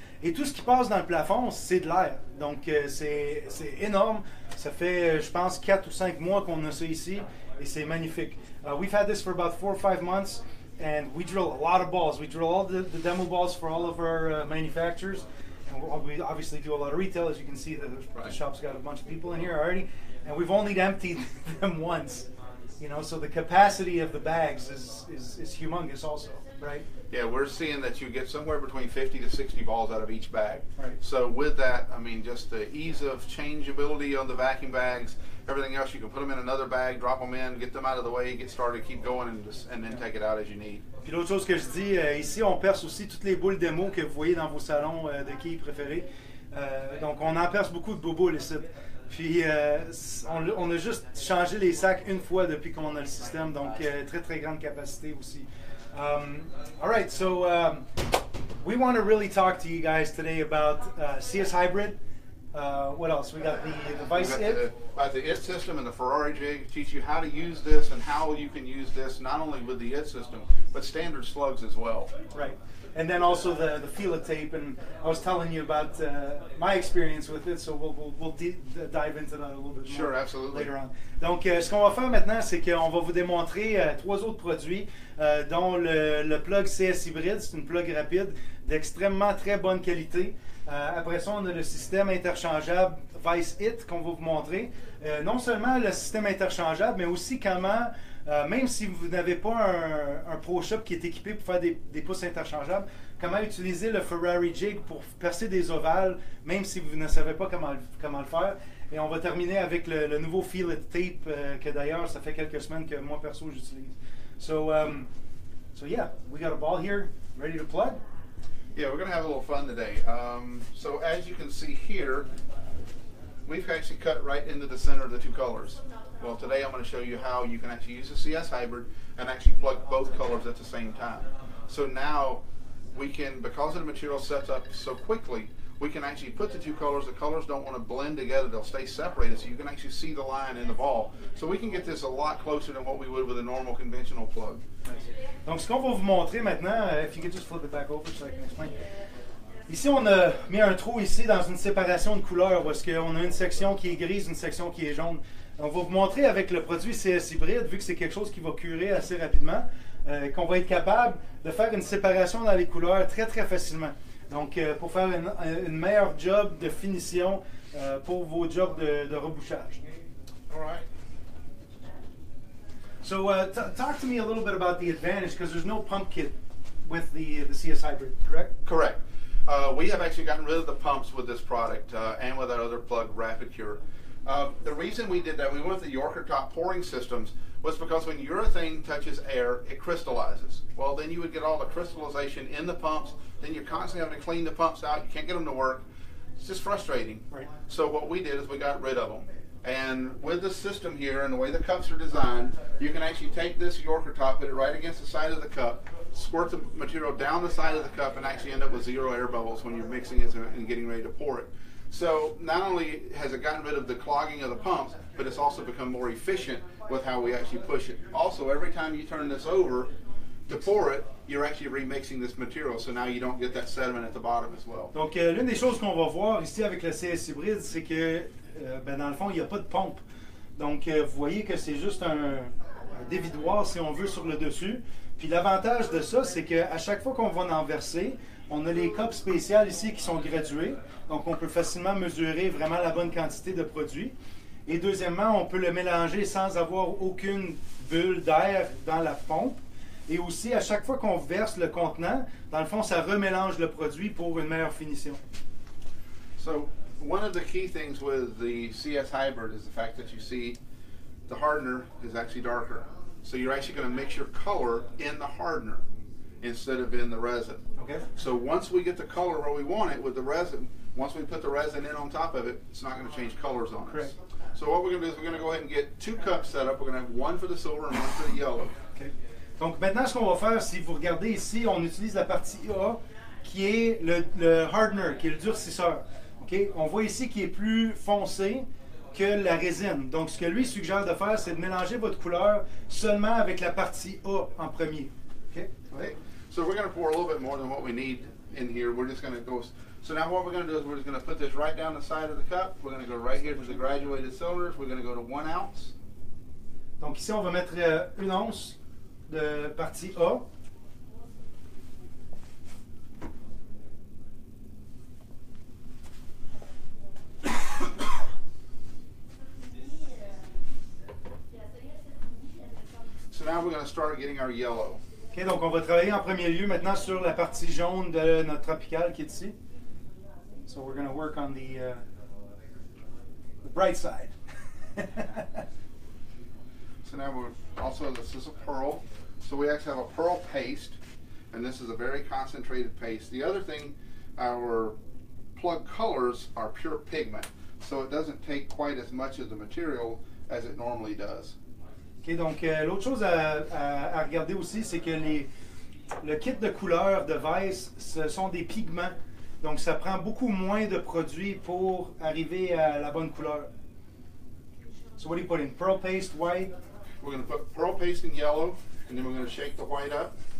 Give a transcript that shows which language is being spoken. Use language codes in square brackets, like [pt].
[fr] Et tout ce qui passe dans le plafond, c'est de l'air. Donc, c'est énorme. Ça fait, je pense, 4 ou 5 mois qu'on a ça ici. Et c'est magnifique. [en] We've had this for about 4 or 5 months. And we drill a lot of balls. We drill all the demo balls for all of our manufacturers. We obviously do a lot of retail, as you can see, the shop's got a bunch of people in here already, and we've only emptied them once, you know, so the capacity of the bags is humongous also, right? Yeah, we're seeing that you get somewhere between 50 to 60 balls out of each bag. Right. So with that, I mean, just the ease of changeability on the vacuum bags, everything else, you can put them in another bag, drop them in, get them out of the way, get started, keep going, and then take it out as you need. [fr] Puis l'autre chose que je dis, ici on perce aussi toutes les boules démo que vous voyez dans vos salons de quilles préférées. Donc on en perce beaucoup de boules ici. Puis on a juste changé les sacs une fois depuis qu'on a le système, donc très très grande capacité aussi. [en] All right, so We want to really talk to you guys today about CS Hybrid. What else? We got the Vise IT. About the IT system and the Ferrari jig, teach you how to use this and how you can use this not only with the IT system, but standard slugs as well. Right. And then also the Fila tape, and I was telling you about my experience with it, so we'll dive into that a little bit sure, more absolutely. Later on. [fr] Donc, ce qu'on va faire maintenant, c'est qu'on va vous démontrer trois autres produits, dont le plug CS Hybrid. C'est une plug rapide d'extrêmement très bonne qualité. Après ça, on a le système interchangeable Vise IT qu'on va vous montrer. Non seulement le système interchangeable, mais aussi comment... Même si vous n'avez pas un Pro Shop qui est équipé pour faire des pouces interchangeables, comment utiliser le Ferrari Jig pour percer des ovales, même si vous ne savez pas comment le faire. Et on va terminer avec le nouveau Fillet Tape, que d'ailleurs, ça fait quelques semaines que moi, perso, j'utilise. [en] So yeah, we got a ball here, ready to plug. Yeah, we're going to have a little fun today. So as you can see here, we've actually cut right into the center of the two colors. Well, today I'm going to show you how you can actually use a CS Hybrid and actually plug both colors at the same time. So now we can, because of the material sets up so quickly, we can actually put the two colors. The colors don't want to blend together. They'll stay separated, so you can actually see the line in the ball. So we can get this a lot closer than what we would with a normal conventional plug. [fr] Donc, ce qu'on va vous montrer maintenant, [en] if you could just flip it back over so I can explain. [fr] Ici, on a mis un trou ici dans une séparation de couleurs parce qu'on a une section qui est grise, une section qui est jaune. On va vous montrer avec le produit CS Hybrid, vu que c'est quelque chose qui va curer assez rapidement, qu'on va être capable de faire une séparation dans les couleurs très, très facilement. Donc, pour faire une meilleure job de finition pour vos jobs de rebouchage. [en] All right. So, talk to me a little bit about the advantage, because there's no pump kit with the CS Hybrid, correct? Correct. We have actually gotten rid of the pumps with this product and with our other plug, Rapid Cure. The reason we did that, we went with the Yorker top pouring systems, was because when urethane touches air, it crystallizes. Well, then you would get all the crystallization in the pumps, then you're constantly having to clean the pumps out, you can't get them to work. It's just frustrating. Right. So what we did is we got rid of them. And with the system here and the way the cups are designed, you can actually take this Yorker top, put it right against the side of the cup, squirt the material down the side of the cup, and actually end up with zero air bubbles when you're mixing it and getting ready to pour it. So not only has it gotten rid of the clogging of the pumps, but it's also become more efficient with how we actually push it. Also, every time you turn this over to pour it, you're actually remixing this material, so now you don't get that sediment at the bottom as well. [fr] Donc, l'une des choses qu'on va voir ici avec le CS Hybrid, c'est que, ben dans le fond, il n'y a pas de pompe. Donc, vous voyez que c'est juste un dévidoir, si on veut, sur le dessus. Puis l'avantage de ça, c'est qu'à chaque fois qu'on va en verser, on a les cups spéciales ici qui sont gradués, donc on peut facilement mesurer vraiment la bonne quantité de produit. Et deuxièmement, on peut le mélanger sans avoir aucune bulle d'air dans la pompe. Et aussi, à chaque fois qu'on verse le contenant, dans le fond, ça remélange le produit pour une meilleure finition. [en] So, one of the key things with the CS Hybrid is the fact that you see the hardener is actually darker. So you're actually going to mix your color in the hardener instead of in the resin. Okay. So once we get the color where we want it with the resin, once we put the resin in on top of it, it's not going to change colors on Correct. Us. So what we're going to do is we're going to go ahead and get two cups set up. We're going to have one for the silver and one for the yellow. Okay. [fr] Donc maintenant, ce qu'on va faire, si vous regardez ici, on utilise la partie A qui est le hardener, qui est le durcisseur. Okay. On voit ici qu'il est plus foncé que la résine. Donc, ce que lui suggère de faire, c'est de mélanger votre couleur seulement avec la partie A en premier. Okay? Okay. [en] So we're going to pour a little bit more than what we need in here. We're just going to go. So now what we're going to do is we're just going to put this right down the side of the cup. We're going to go right here to the graduated cylinders. We're going to go to 1 ounce. [fr] Donc ici, on va mettre une once de partie A. [en] So now we're going to start getting our yellow. [fr] Okay, donc on va travailler en premier lieu maintenant sur la partie jaune de notre tropical qui est ici. [en] So we're going to work on the bright side. So now we're also, this is a pearl. So we actually have a pearl paste, and this is a very concentrated paste. The other thing, our plug colors are pure pigment, so it doesn't take quite as much of the material as it normally does. [fr] Okay, donc l'autre chose à regarder aussi, c'est que les le kit de couleurs de Vise, ce sont des pigments. Donc, ça prend beaucoup moins de produits pour arriver à la bonne couleur. [en] So what are you putting? Pearl paste, white? We're going to put pearl paste in yellow, and then we're going to shake the white up.